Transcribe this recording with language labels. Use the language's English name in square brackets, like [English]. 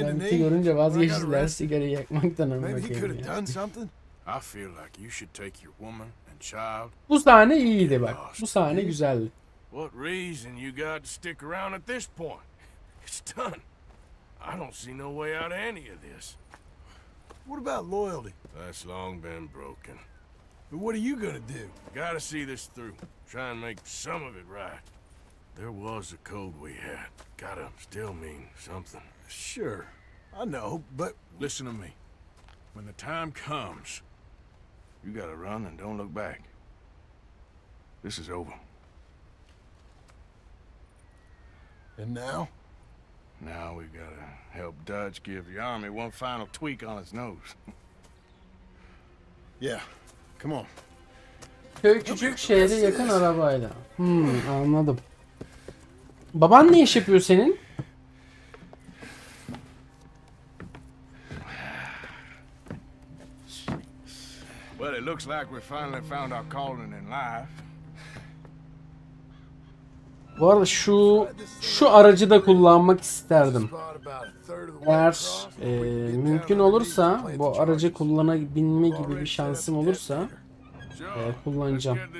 [Turkish] Dinamiti görünce vazgeçtiler sigara yakmaktan. [English] Maybe he could have done something. I feel like you should take your woman. [Turkish] Bu sahne iyiydi bak. Bu sahne güzeldi. [English] What reason you got to stick around at this point? It's done. I don't see no way out of any of this. What about loyalty? That's long been broken. But what are you gonna do? Gotta see this through. Try and make some of it right. There was a code we had. Gotta still mean something. Sure. I know, but listen to me. When the time comes. You gotta run and don't look back. This is over. And now? Now we gotta help Dutch give the army one final tweak on its nose. Yeah, come on. [Turkish] Köy küçük şehre yakın arabayla. Anladım. Baban ne iş yapıyor senin? [English] Well, it looks like we finally found our calling in life. [Turkish] Bu arada şu aracı da kullanmak isterdim. Eğer mümkün olursa, bu aracı kullanabilme gibi bir şansım olursa kullanacağım.